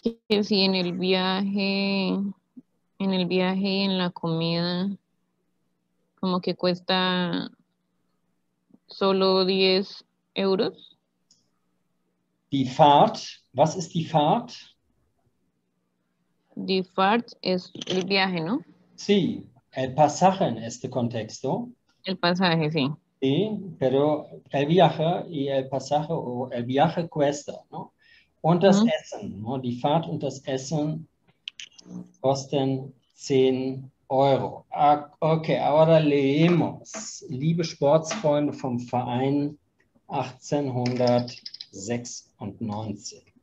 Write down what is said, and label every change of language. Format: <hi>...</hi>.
<es>Que si en el viaje, y en la comida, como que cuesta solo 10 euros.</es> <de>Die Fahrt, was ist die Fahrt? Die Fahrt</de> <es>es el viaje, ¿no? Sí, el pasaje en este contexto. El pasaje, sí. Sí, pero el viaje y el pasaje, o el viaje cuesta, ¿no?</es> <de>Und das Essen, ¿no? Die Fahrt und das Essen kosten 10 Euro.</de> <es>Ah, okay, ahora leemos.</es> <de>Liebe Sportsfreunde vom Verein 1896.</de>